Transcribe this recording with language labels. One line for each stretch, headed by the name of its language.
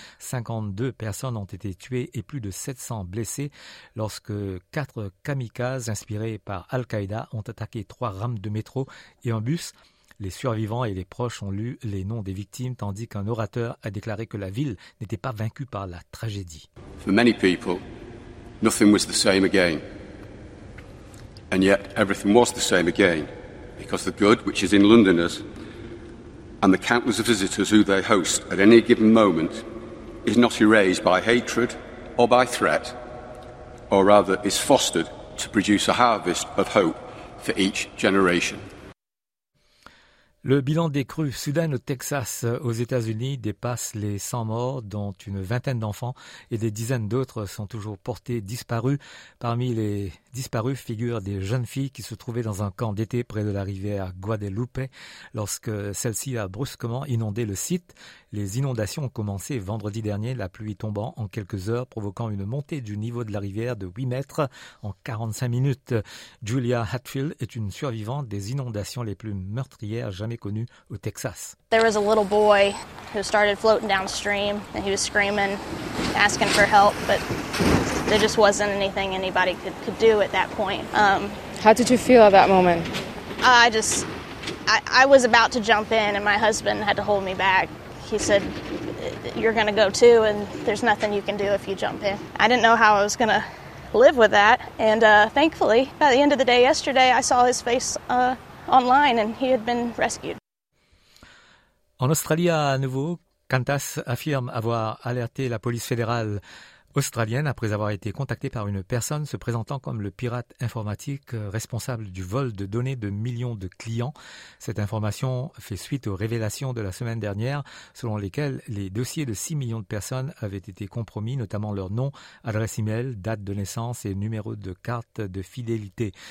French: 52 personnes ont été tuées et plus de 700 blessées lorsque 4 kamikazes inspirés par Al-Qaïda ont attaqué 3 rames de métro et un bus. Les survivants et les proches ont lu les noms des victimes, tandis qu'un orateur a déclaré que la ville n'était pas vaincue par la tragédie.
English: For many people, nothing was the same again. And yet, everything was the same again, because the good, which is in Londoners, and the countless visitors who they host at any given moment, is not erased by hatred or by threat, or rather is fostered to produce a harvest of hope for each generation.
French: Le bilan des crues soudaines au Texas aux États-Unis dépasse les 100 morts, dont une vingtaine d'enfants et des dizaines d'autres sont toujours portés disparus. Parmi les disparus figurent des jeunes filles qui se trouvaient dans un camp d'été près de la rivière Guadalupe lorsque celle-ci a brusquement inondé le site. Les inondations ont commencé vendredi dernier, la pluie tombant en quelques heures, provoquant une montée du niveau de la rivière de 8 mètres en 45 minutes. Julia Hatfield est une survivante des inondations les plus meurtrières jamais connues au Texas.
English: There was a little boy who started floating downstream and he was screaming, asking for help, but there just wasn't anything anybody could do at that point. How did you feel at that moment? I was about to jump in and my husband had to hold me back. He said, you're going to go too, and there's nothing you can do if you jump in. I didn't know how I was going to live with that. And thankfully, by the end of the day yesterday, I saw his face online, and he had been rescued.
French: En Australie, à nouveau, Qantas affirme avoir alerté la police fédérale australienne après avoir été contacté par une personne se présentant comme le pirate informatique responsable du vol de données de millions de clients. Cette information fait suite aux révélations de la semaine dernière selon lesquelles les dossiers de 6 millions de personnes avaient été compromis, notamment leur nom, adresse e-mail, date de naissance et numéro de carte de fidélité.